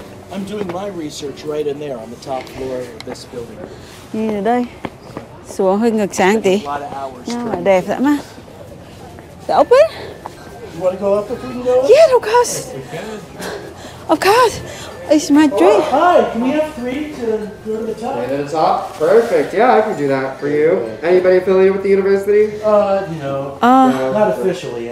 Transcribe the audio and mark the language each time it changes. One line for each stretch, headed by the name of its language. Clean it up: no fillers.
English: I'm doing my research right in there on the top floor of this building.
Vietnamese: Nhìn ở đây, xuống hơi ngược sáng tí. Nhưng mà đẹp lắm á. Đã open?
English: You want to go up if we can go up? Yeah, of course. Yes, we can. Of course, it's my dream. Oh, hi, can we have three to go to the top? Right to the top? Perfect, yeah, I can do that for you. Anybody affiliated with the university? No, not officially.